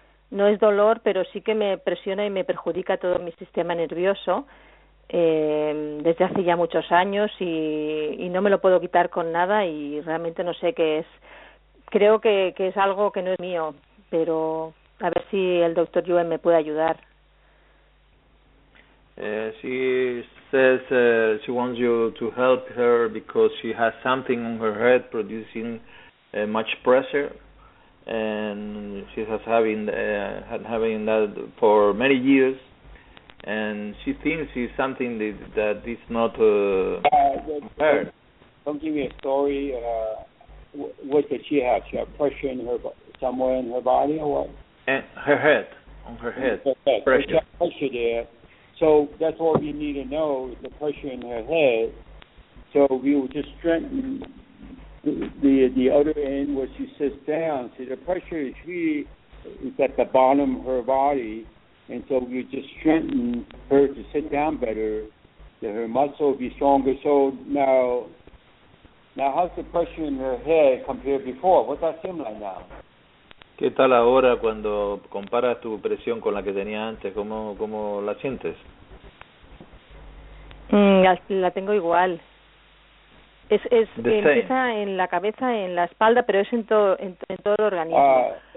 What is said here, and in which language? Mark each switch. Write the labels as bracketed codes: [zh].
[es] No es dolor, pero sí que me presiona y me perjudica todo mi sistema nervioso desde hace ya muchos años y no me lo puedo quitar con nada y realmente no sé qué es. Creo que es algo que no es mío. Pero a ver si el doctor Yuen me puede ayudar. [en] She says she wants you to help her because she has something on her head producing much pressure, and she has having that for many years, and she thinks it's something that is not her. Don't give me a story. What does she have? She has pressure in her body. Somewhere in her body or what? Her head. On her head. Pressure. There, So that's all you need to know, is the pressure in her head. So we will just strengthen the other end where she sits down. See, the pressure is here, it's at the bottom of her body, and so we just strengthen her to sit down better, that her muscle will be stronger. So now how's the pressure in her head compared before? What's that seem like now? [es] ¿Qué tal ahora cuando comparas tu presión con la que tenía antes? ¿Cómo la sientes? La tengo igual. Es empieza en la cabeza, en la espalda, pero es en todo el organismo.